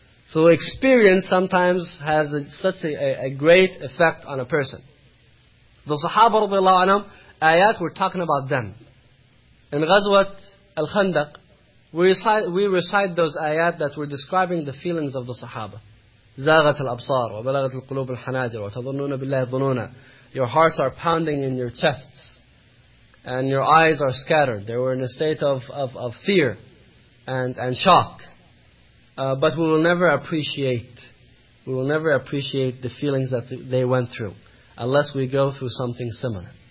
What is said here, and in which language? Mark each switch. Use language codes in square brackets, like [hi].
[en] So experience sometimes has such a great effect on a person. The Sahaba radiallahu anhum, ayat, we're talking about them. In Ghazwat al-Khandaq, we recite those ayat that were describing the feelings of the Sahaba. [ar] زاغت الأبصار وبلغت القلوب الحناجر وتظنون بالله ظنونا. [en] Your hearts are pounding in your chests and your eyes are scattered. They were in a state of fear and shock. But we will never appreciate. We will never appreciate the feelings that they went through unless we go through something similar.